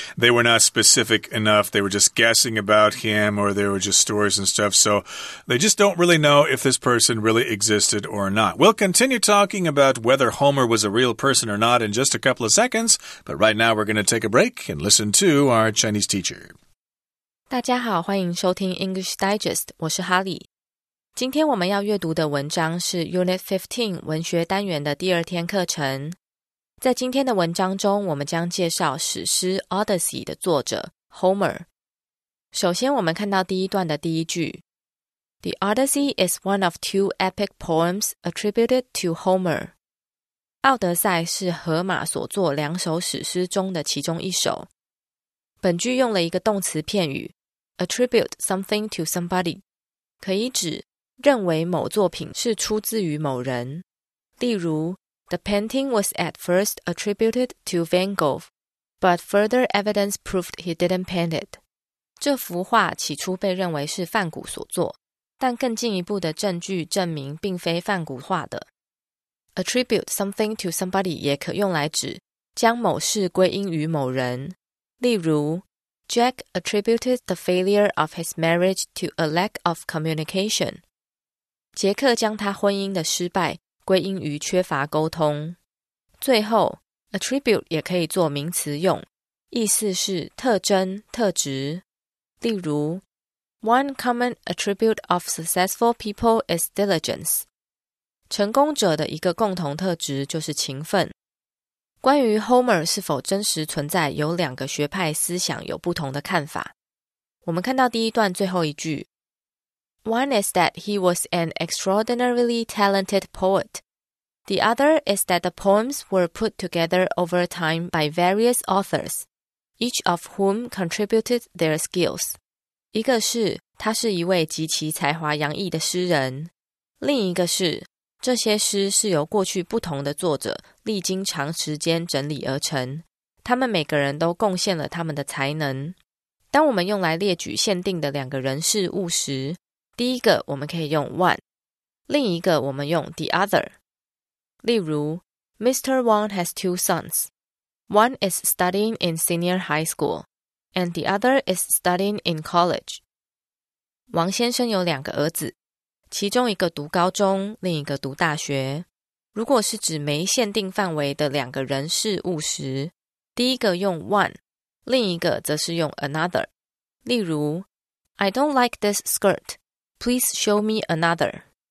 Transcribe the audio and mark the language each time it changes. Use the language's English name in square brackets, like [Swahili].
[English] They were not specific enough. They were just guessing about him, or they were just stories and stuff. So they just don't really know if this person really existed or not. We'll continue talking about whether Homer was a real person or not in just a couple of seconds. But right now we're going to take a break and listen to our Chinese teacher. [Chinese] 大家好，欢迎收听 English Digest， 我是哈利。今天我们要阅读的文章是 Unit 15文学单元的第二天课程。在今天的文章中，我们将介绍史诗 Odyssey 的作者 Homer。首先，我们看到第一段的第一句 [English] ：The Odyssey is one of two epic poems attributed to Homer。 [Chinese] 奥德赛是荷马所作两首史诗中的其中一首。本句用了一个动词片语 [English] attribute something to somebody， [Chinese] 可以指认为某作品是出自于某人。例如 [English] The painting was at first attributed to Van Gogh, but further evidence proved he didn't paint it. [Chinese] 这幅画起初被认为是梵谷所作，但更进一步的证据证明并非梵谷画的。 [English] Attribute something to somebody [Chinese] 也可用来指将某事归因于某人。例如 [English] Jack attributed the failure of his marriage to a lack of communication. [Chinese] 杰克将他婚姻的失败归因于缺乏沟通。最后 attribute 也可以做名词用，意思是特征、特质。例如 [English] One common attribute of successful people is diligence. [Chinese] 成功者的一个共同特质就是勤奋。关于 Homer 是否真实存在，有两个学派思想有不同的看法。我们看到第一段最后一句 [English] One is that he was an extraordinarily talented poet. The other is that the poems were put together over time by various authors, each of whom contributed their skills. [Chinese] 一个是他是一位极其才华洋溢的诗人，另一个是这些诗是由过去不同的作者历经长时间整理而成，他们每个人都贡献了他们的才能。当我们用来列举限定的两个人事物时，第一个我们可以用 one， 另一个我们用 the other。例如 [English] Mr. Wang has two sons. One is studying in senior high school and the other is studying in college. [Chinese] 王先生有两个儿子，其中一个读高中，另一个读大学。如果是指没限定范围的两个人事物时，第一个用 one， 另一个则是用 another。例如 [English] I don't like this skirt. Please show me another.